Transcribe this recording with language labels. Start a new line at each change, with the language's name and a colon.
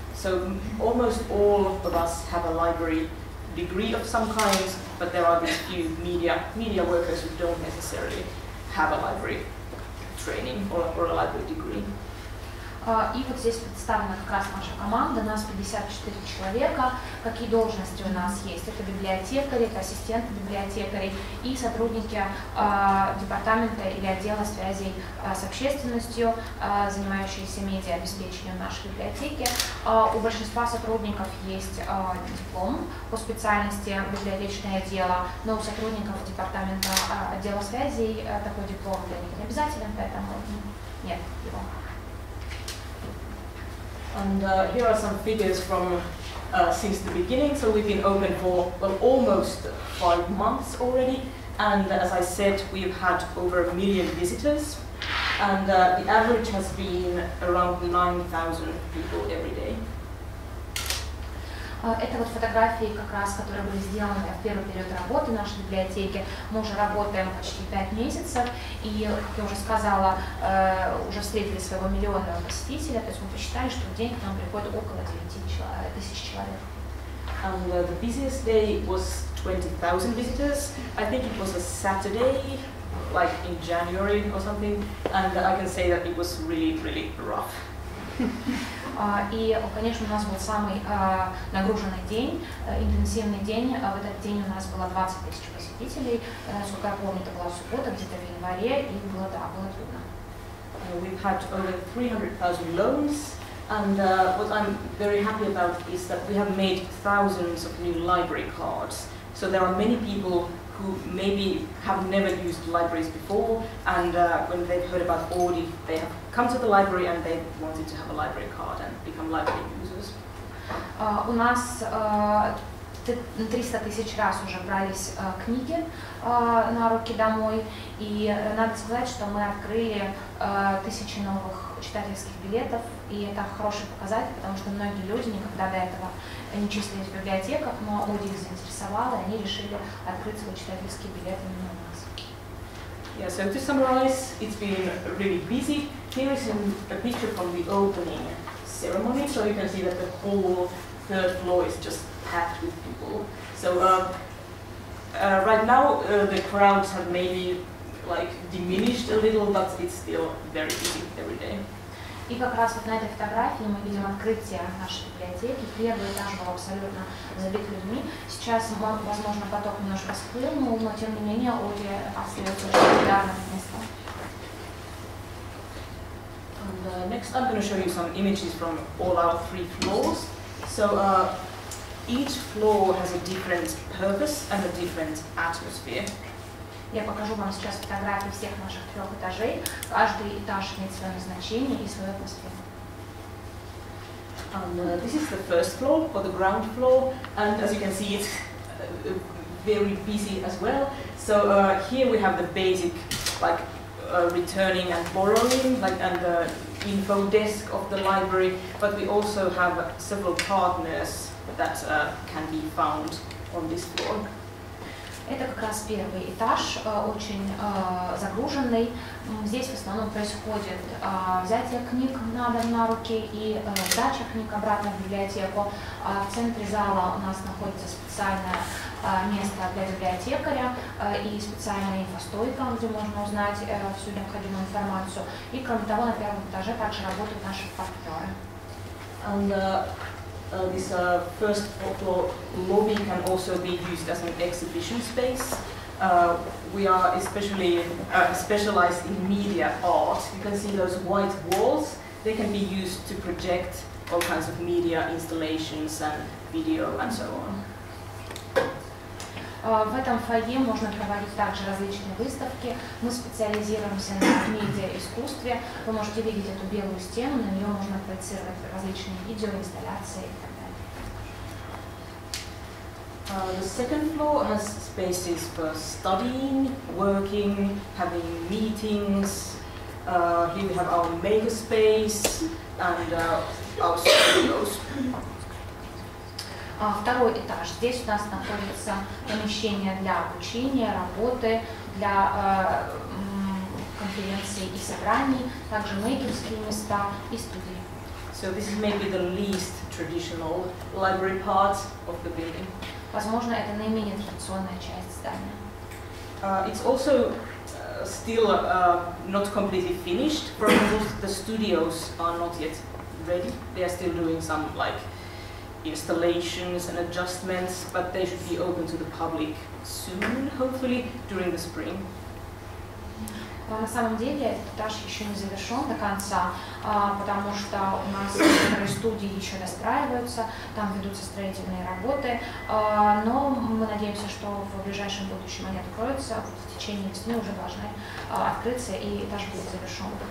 English: So almost all of us have a library degree of some kind, but there are these few media workers who don't necessarily have a library training or a library degree.
Russian: И вот здесь представлена как раз наша команда, нас 54 человека. Какие должности у нас есть? Это библиотекари, это ассистенты библиотекарей и сотрудники департамента или отдела связей с общественностью, занимающиеся медиаобеспечением нашей библиотеки. У большинства сотрудников есть диплом по специальности библиотечное дело, но у сотрудников департамента отдела связей такой диплом для них не обязателен, поэтому нет его.
English: And here are some figures from since the beginning. So we've been open for almost 5 months already. And as I said, we've had over a million visitors. And the average has been around 9,000 people every day.
Russian: Это вот фотографии, как раз, которые были сделаны в первый период работы нашей библиотеки. Мы уже работаем почти 5 месяцев, и, как я уже сказала, уже встретили своего миллионного посетителя. То есть мы посчитали, что в день к нам приходит около 9 тысяч человек.
English: And the busiest day was 20,000 visitors. I think it was a Saturday, like in January or something. And I can say that it was really, really rough.
Russian: И, конечно, у нас был самый нагруженный день, интенсивный день. В этот день у нас было 20 тысяч посетителей. Насколько я помню, это была суббота, где-то в январе, и было, да, было трудно.
English: We've had over 300,000 loans, and what I'm very happy about is that we have made thousands of new library cards. So there are many people who maybe have never used libraries before, and when they've heard about Oodi, they have come to the library and they wanted to have a library card and become library users.
Russian: У нас 300 тысяч раз уже брались книги на руки домой, и надо сказать, что мы открыли тысячи новых читательских билетов, и это хороший показатель, потому что многие люди никогда до этого не числились в библиотеках, но Oodi их заинтересовало, и они решили открыть свои читательские билеты именно у нас.
English: Yeah, so to summarize, it's been really busy. Here is a picture from the opening ceremony, so you can see that the whole third floor is just packed with people. So right now the crowds have maybe like diminished a little, but it's still very busy every day.
Russian: И как раз вот на этой фотографии мы видим открытие нашей библиотеки. Первый этаж был абсолютно забит людьми. Сейчас, возможно, поток немножко схлынул, но тем не менее Oodi остается очень популярным местом.
English: Next, I'm going to show you some images from all our three floors. So each floor has a different purpose and a different atmosphere.
Russian: Я покажу вам сейчас фотографии всех наших трех этажей. Каждый этаж имеет свое назначение и свою атмосферу.
English: This is the first floor, or the ground floor, and as you can see, it's very busy as well. So here we have the basic, like returning and borrowing, like and the info desk of the library. But we also have several partners that can be found on this floor.
Russian: Это как раз первый этаж, очень загруженный. Здесь в основном происходит взятие книг на дом на руки и сдача книг обратно в библиотеку. В центре зала у нас находится специальное место для библиотекаря и специальная инфостойка, где можно узнать всю необходимую информацию. И кроме того, на первом этаже также работают наши партнеры.
English: This first floor lobby can also be used as an exhibition space. We are especially specialized in media art. You can see those white walls. They can be used to project all kinds of media installations and video and so on.
Russian: В этом фойе можно проводить также различные выставки. Мы специализируемся на медиа-искусстве. Вы можете видеть эту белую стену, на нее можно проецировать различные видеоинсталляции и так далее.
English: The second floor has spaces for studying, working, having meetings. Here we have our makerspace and our studios.
Russian: Второй этаж. Здесь у нас находится помещение для обучения, работы, для конференций и собраний, также мейкерские места и студии.
English: So this is maybe the least traditional library part of the building.
Russian: Возможно, это наименее традиционная часть здания.
English: It's also still not completely finished. Probably the studios are not yet ready. They are still doing some like installations and adjustments, but they should be open to the public soon, hopefully, during the spring.
Russian: На самом деле этот этаж еще не завершен до конца, потому что у нас студии еще достраиваются, там ведутся строительные работы, но мы надеемся, что в ближайшем будущем они откроются, в течение весны уже должны открыться, и этаж будет завершен.